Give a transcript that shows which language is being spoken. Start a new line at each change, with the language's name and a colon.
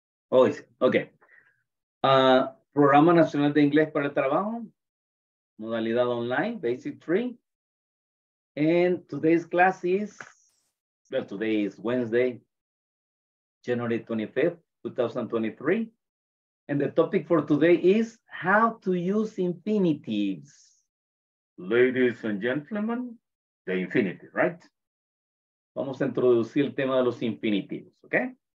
Spanish: Programa Nacional de Inglés para el Trabajo, modalidad online, Basic 3.
English: And today's class is, well, today is Wednesday, January 25th, 2023. And the topic for today is how to use infinitives. Ladies and gentlemen, the infinitive, right?
Spanish: Vamos a introducir el tema de los infinitives, okay?